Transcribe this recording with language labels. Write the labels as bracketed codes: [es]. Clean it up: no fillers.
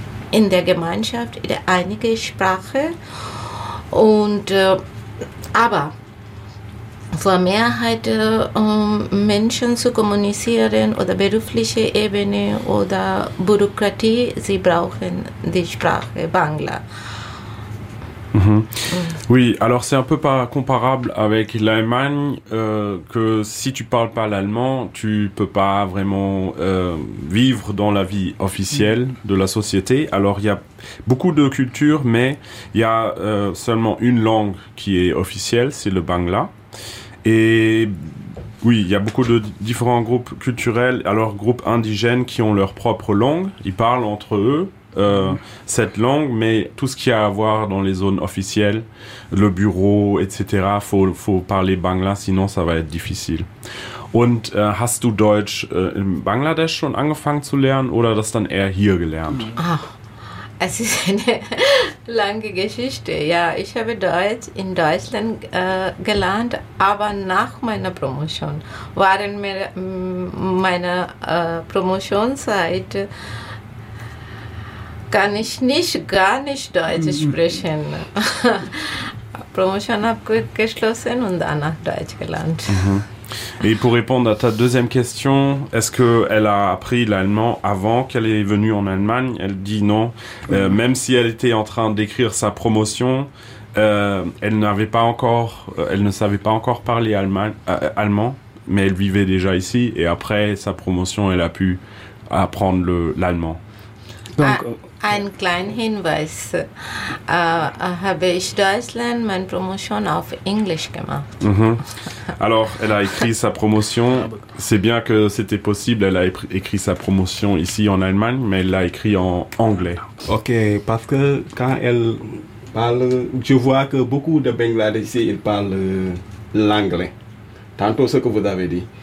[de] in der Gemeinschaft einige Sprache und aber für Mehrheit Menschen zu kommunizieren oder berufliche Ebene oder Bürokratie, sie brauchen die Sprache Bangla. [fr] Oui, alors c'est un peu pas comparable avec l'Allemagne, que si tu parles pas l'allemand, tu peux pas vraiment vivre dans la vie officielle de la société. Alors il y a beaucoup de cultures, mais il y a seulement une langue qui est officielle, c'est le Bangla. Et oui, il y a beaucoup de différents groupes culturels, alors groupes indigènes qui ont leur propre langue, ils parlent entre eux. Cette langue, mais tout ce qui a à voir dans les zones officielles, le bureau, etc., faut parler Bangla, sinon ça va être difficile. [de] Und hast du Deutsch in Bangladesch schon angefangen zu lernen oder das dann eher hier gelernt? Ach, es ist eine lange Geschichte. Ja, ich habe Deutsch in Deutschland gelernt, aber nach meiner Promotion waren mir meine Promotionszeit kann ich nicht gar nicht Deutsch sprechen. Promotion abgeschlossen und danach Deutsch gelernt. [fr] Et pour répondre à ta deuxième question, est-ce qu'elle a appris l'allemand avant qu'elle est venue en Allemagne? Elle dit non. Même si elle était en train d'écrire sa promotion, elle n'avait pas encore, elle ne savait pas encore parler allemand, mais elle vivait déjà ici. Et après sa promotion, elle a pu apprendre l'allemand. [de] Donc, ein kleiner Hinweis, habe ich Deutschland meine Promotion auf Englisch gemacht. [fr] Alors, elle a écrit sa promotion, c'est bien que c'était possible, elle a écrit sa promotion ici en Allemagne, mais elle l'a écrit en anglais. Ok, parce que quand elle parle, je vois que beaucoup de Bangladesiens ils parlent l'anglais, tantôt ce que vous avez dit.